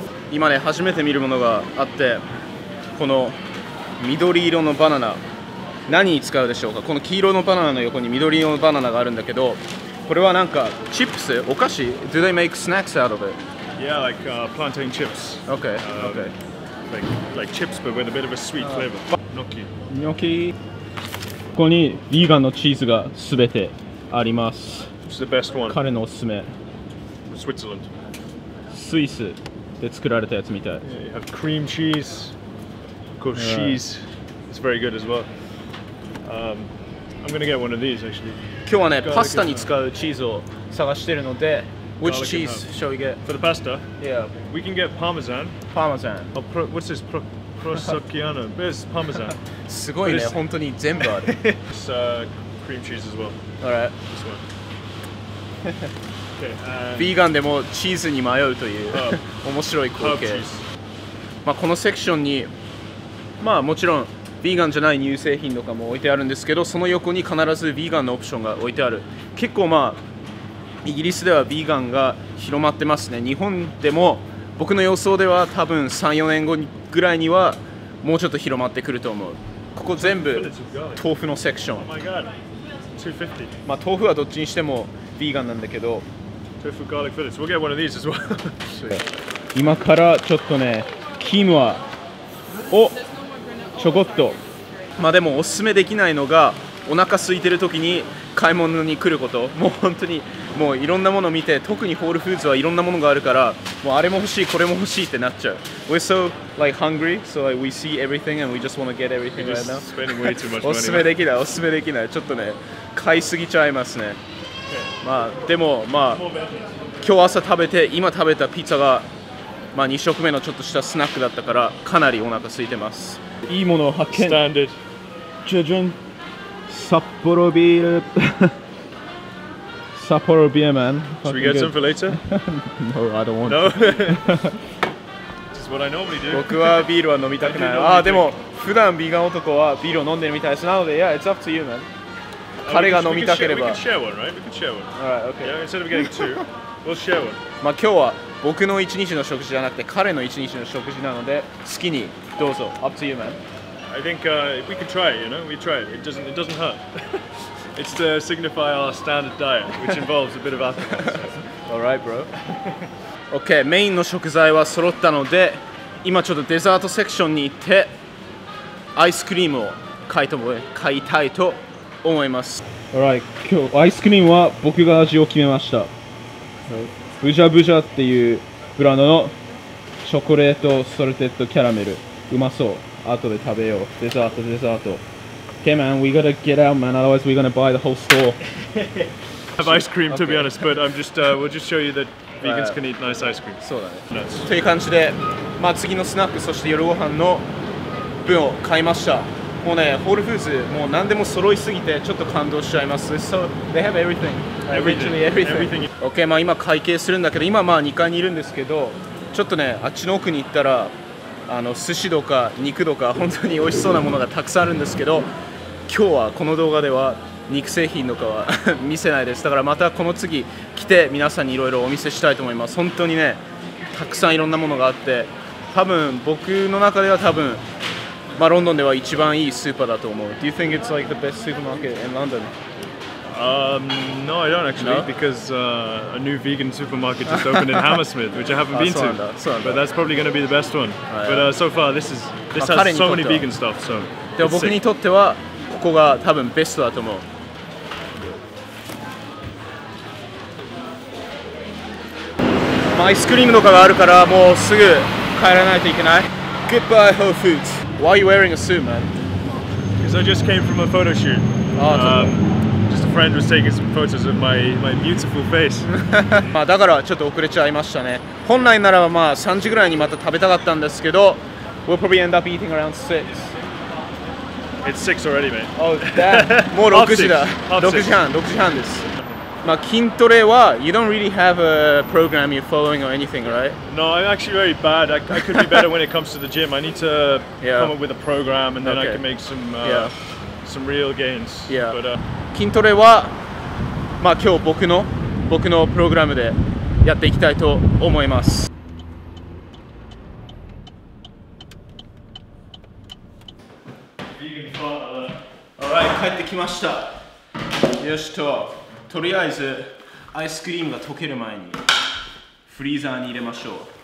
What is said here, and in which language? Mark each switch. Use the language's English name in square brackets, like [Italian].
[Japanese] 今ね初めて見るものがあって、この緑色のバナナ何に使うでしょうか。この黄色のバナナの横に緑色のバナナがあるんだけど、これはなんかチップス、お菓子。 [English] Do they make snacks out of it? Yeah, like plantain chips. Okay, okay. Like chips, but with a bit of a sweet flavor. Gnocchi. [Japanese] ここにビーガンのチーズがすべてあります。 [English] It's the best one. [Japanese] 彼のおすすめ。 [English] Switzerland. [Japanese] スイスで作られたやつみたい。 [English] Yeah, you have cream cheese, called cheese. It's very good as well. I'm gonna get one of these actually. [Japanese] 今日はね、パスタに使うチーズを探しているので。 [English] Which cheese shall we get? For the pasta? Yeah. We can get Parmesan. Parmesan. Oh, what's this? Prosciutto. Where's Parmesan? [Japanese] すごいね、本当に全部ある。 [English] It's cream cheese as well. Alright. This one. [Japanese] ビーガンでもチーズに迷うという面白い光景。まあこのセクションに、まあもちろんビーガンじゃない乳製品とかも置いてあるんですけど、その横に必ずビーガンのオプションが置いてある。結構まあ、イギリスではビーガンが広まってますね。日本でも僕の予想では多分 3,4 年後ぐらいにはもうちょっと広まってくると思う。ここ全部豆腐のセクション。 [English] Oh my god, 250. [Japanese] まあ豆腐はどっちにしてもビーガンなんだけど、豆腐、ガーリックフィレット、 [English] We'll get one of these as well. [Japanese] 今からちょっとね、キーマをちょこっと、まあでもおすすめできないのがお腹空いてる時に買い物に来ること。もう本当にもういろんなものを見て、特にホールフーズはいろんなものがあるから、もうあれも欲しい、これも欲しいってなっちゃう。 [English] We're so like hungry, so like, we see everything and we just want to get everything right now. Spending way too much money. [Japanese] おすすめできない、おすすめできない。ちょっとね、買いすぎちゃいますね。まあでもまあ今日朝食べて、今食べたピザがまあ2食目のちょっとしたスナックだったからかなりお腹空いてます。いいものを発見。 [English] Standard. [Japanese] じゃじゃん、札幌ビール。札幌ビール、 [English] man. Should we get some for later? No, I don't want to. Just what I normally do. [Japanese] 僕はビールは飲みたくない。ああ、でも普段ビーガン男はビールを飲んでるみたいです。なので、 [English] yeah, it's up to you, man. [Japanese] 彼が飲みたければ。 [English] We can share one, right? We can share one. All right, okay. Yeah, instead of getting two, we'll share one. [Japanese] まあ今日は僕の一日の食事じゃなくて彼の一日の食事なので、好きにどうぞ。 [English] Up to you, man. I think if we could try it, you know, we try it. It doesn't hurt. It's to signify our standard diet, which involves a bit of alcohol. All right, bro. [Japanese] Okay, メインの食材は揃ったので、今ちょっとデザートセクションに行って、アイスクリームを買いたいと思います。 All right, 今日アイスクリームは僕が味を決めました。ブジャブジャっていうブランドのチョコレートソルテッドキャラメル。うまそう。後で食べよう。デザート。 [English] Okay, man, we gotta get out, man. Otherwise, we're gonna buy the whole store. I have ice cream, to be honest, but I'm just, we'll just show you the Vegans can eat nice ice cream. [Japanese] そうだね。Nice. という感じで、まあ、次のスナック、そして夜ご飯の分を買いました。もうね、ホールフーズ、もう何でも揃いすぎて、ちょっと感動しちゃいます。 [English] So, they have everything. Everything. [Japanese] Okay, まあ今会計するんだけど、今まあ2階にいるんですけど、ちょっとね、あっちの奥に行ったら、あの寿司とか肉とか、本当に美味しそうなものがたくさんあるんですけど、今日はこの動画では肉製品とかは見せないです。だからまたこの次来て、皆さんにいろいろお見せしたいと思います。本当にね、たくさんいろんなものがあって、多分僕の中では多分、まあ、ロンドンでは一番いいスーパーだと思う。 [English] Do you think it's like the best supermarket in London? No, I don't actually, no? because a new vegan supermarket just opened in Hammersmith, which I haven't been to. But that's probably going to be the best one. But so far, this has so many vegan stuff. So. [Japanese] でも僕にとってはここが多分ベストだと思う。まあ、アイスクリームとかがあるからもうすぐ帰らないといけない。 [English] Goodbye, Whole Foods. Why are you wearing a suit, man? Because I just came from a photo shoot. Just a friend was taking some photos of my beautiful face. [Japanese] まあだからちょっと遅れちゃいましたね。本来ならばまあ3時ぐらいにまた食べたかったんですけど、 [English] We'll probably end up eating around 6. It's 6 already, mate. Oh, damn. [Japanese] もう6時だ。6時半です。まあ筋トレは、 [English] You don't really have a program you're following or anything, right? No, I'm actually very bad. I could be better when it comes to the gym. I need to come up with a program and then I can make some real gains. Yeah. [Japanese] But, 筋トレは、まあ今日僕のプログラムでやっていきたいと思います。 [English] Vegan father. [Japanese] Alright, 帰ってきました。よしと。とりあえずアイスクリームが溶ける前にフリーザーに入れましょう。